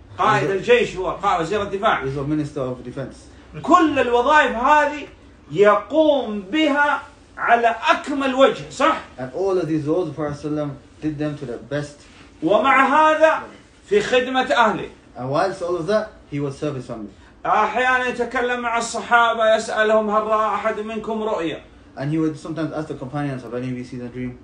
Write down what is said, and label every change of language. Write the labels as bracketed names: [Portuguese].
[Arabic] قائد الجيش هو قائد وزير الدفاع. [English] He's a minister of defense. [Arabic] كل الوظائف هذه يقوم بها على أكمل وجه صح؟ [English] And all of these roles, Prophet Sallam did them to the best. [Arabic] ومع هذا في خدمة أهله. [English] And whilst all of that, he was serving family. [Arabic] أحيانا يتكلم مع الصحابة يسألهم هل رأى أحد منكم رؤيا؟ [English] And he would sometimes ask the companions of any of you see the dream.